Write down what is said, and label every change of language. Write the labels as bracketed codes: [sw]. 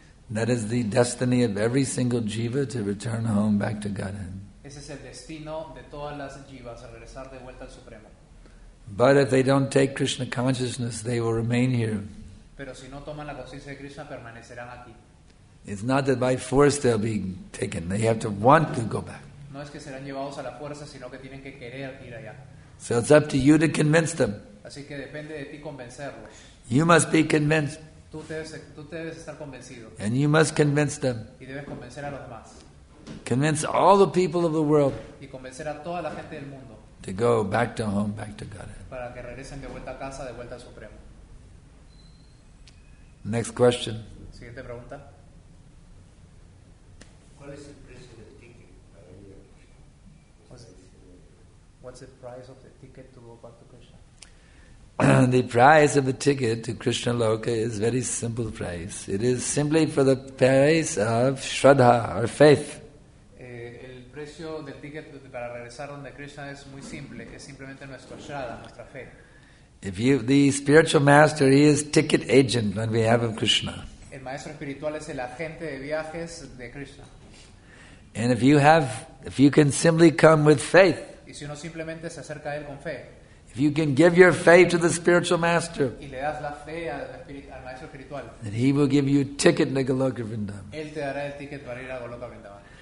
[en] That is the destiny of every single jiva to return home back to Godhead. [es] Ese es el destino de todas las jivas, a regresar de vuelta al Supremo. [en] But if they don't take Krishna consciousness, they will remain here. [es] Pero si no toman la conciencia de Krishna, permanecerán aquí. [en] It's not that by force they'll be taken. They have to want to go back. [es] No es que serán llevados a la fuerza, sino que tienen que querer ir allá. [en] So it's up to you to convince them. [es] Así que depende de ti convencerlos. [en] You must be convinced. [es] Tú debes estar convencido. [en] And you must convince them. [es] Y debes convencer a los demás. [en] Convince all the people of the world. [es] Y convencer a toda la gente del mundo. [en] To go back to home, back to God. [es] Para que regresen de vuelta a casa, de vuelta al Supremo. [en] Next question. [es] Siguiente pregunta. [en] What's the price of the ticket to go back to Krishna? The price of the ticket to Krishna Loka is very simple price. It is simply for the price of Shraddha or faith. [es] El precio del ticket para regresar donde Krishna es muy simple. Es simplemente nuestra Shraddha, nuestra fe. [en] If you, the spiritual master, he is ticket agent on behalf of Krishna. [es] El maestro espiritual es el agente de viajes de Krishna. [en] And if you can simply come with faith, [es] y si uno simplemente se acerca a él con fe, [en] if you can give your faith to the spiritual master, [es] y le das la fe al maestro espiritual, [en] then he will give you a ticket to Goloka Vrindavan. [es] Él te dará el ticket para ir a Goloka Vrindavan.